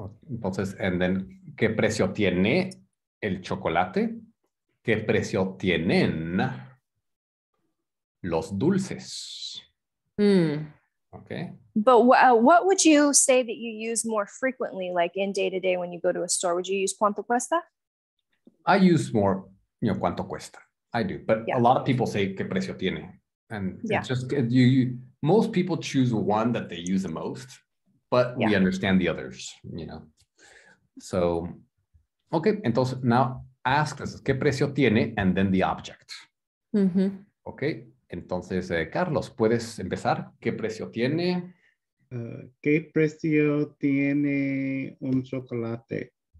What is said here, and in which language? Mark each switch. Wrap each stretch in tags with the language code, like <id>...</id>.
<es>Entonces,</es> <en>and then,</en> <es>¿qué precio tiene el chocolate? ¿Qué precio tienen los dulces? Mm. Okay.</es> <en>But what would you say that you use more frequently, like in day-to-day when you go to a store? Would you use</en> <es>cuánto cuesta?</es> <en>I use more,</en> <es>cuánto cuesta.</es> <en>I do. But yeah. A lot of people say</en> <es>¿qué precio tiene?</es> <en>And yeah. It's just, most people choose one that they use the most. But yeah. We understand the others, So, okay.</en> <es>Entonces,</es> <en>now ask us,</en> <es>¿qué precio tiene?</es> <en>And then the object. Mm-hmm. Okay.</en> <es>Entonces, Carlos, ¿puedes empezar? ¿Qué precio tiene? ¿Qué precio tiene un chocolate?</es>